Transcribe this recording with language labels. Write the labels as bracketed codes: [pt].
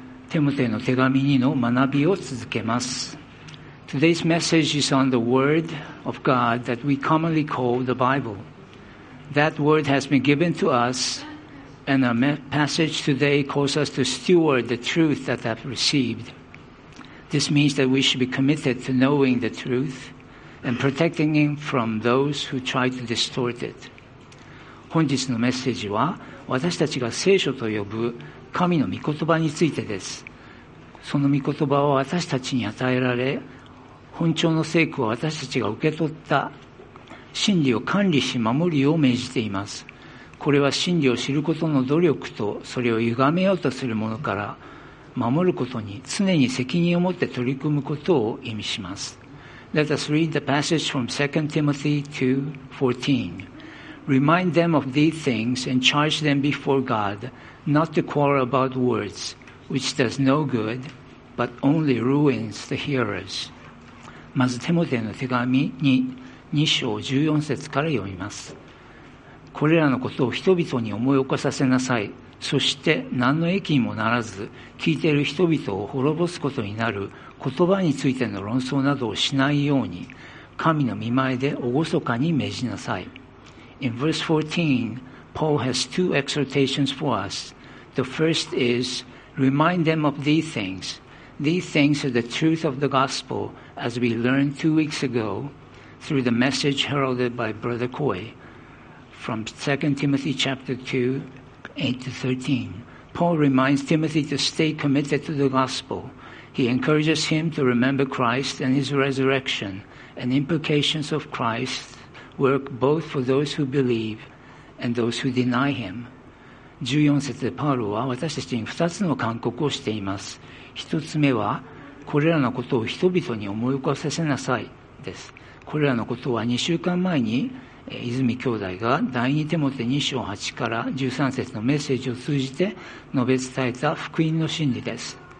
[ja] Timothy の手紙にの学びを続けます。 [en] Today's message is on the Word of God that we commonly call the Bible. That Word has been given to us, and our passage today calls us to steward the truth that I've received. This means that we should be committed to knowing the truth and protecting him from those who try to distort it. [ja] 本日のメッセージは、私たちが聖書と呼ぶ神の御言葉についてです。その御言葉は私たちに与えられ、本庁の聖句は私たちが受け取った真理を管理し守るよう命じています。これは真理を知ることの努力と、それを歪めようとする者から守ることに常に責任を持って取り組むことを意味します。 [en] Let us read the passage from 2 Timothy 2:14. Remind them of these things and charge them before God not to quarrel about words, which does no good, but only ruins the hearers. [ja] まずテモテの手紙に2章14節から読みます。これらのことを人々に思い起こさせなさい。そして何の益にもならず、聞いている人々を滅ぼすことになる言葉についての論争などをしないように、神の御前で厳かに命じなさい。 [en] In verse 14, Paul has two exhortations for us. The first is, remind them of these things. These things are the truth of the gospel, as we learned 2 weeks ago, through the message heralded by Brother Koi, from 2 Timothy chapter 2:8-13. Paul reminds Timothy to stay committed to the gospel. He encourages him to remember Christ and his resurrection and implications of Christ's work both for those who believe and those who deny him. [ja] 14節でパウロは私たちに2つの勧告をしています。 1つ目は、これらのことを人々に思い起こさせなさいです。これらのことは2週間前に泉兄弟が第2テモテ2章8から13節のメッセージを通じて述べ伝えた福音の真理です。